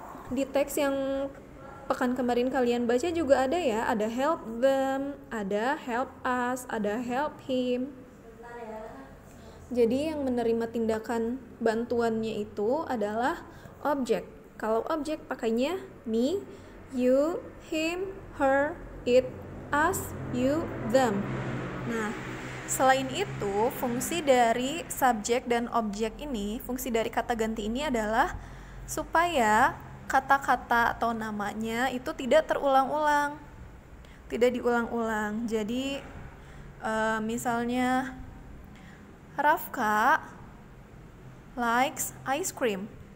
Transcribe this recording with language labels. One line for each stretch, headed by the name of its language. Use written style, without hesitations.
Indonesian: Di teks yang pekan kemarin kalian baca juga ada ya, ada
English: help them,
Indonesian: ada
English: help us,
Indonesian: ada
English: help him.
Indonesian: Jadi yang menerima tindakan bantuannya itu adalah objek. Kalau objek pakainya
English: me, you, him, her, it, us, you, them.
Indonesian: Nah, selain itu, fungsi dari subjek dan objek ini, fungsi dari kata ganti ini adalah supaya kata-kata atau namanya itu tidak terulang-ulang, tidak diulang-ulang. Jadi misalnya
English: Rafka likes ice cream.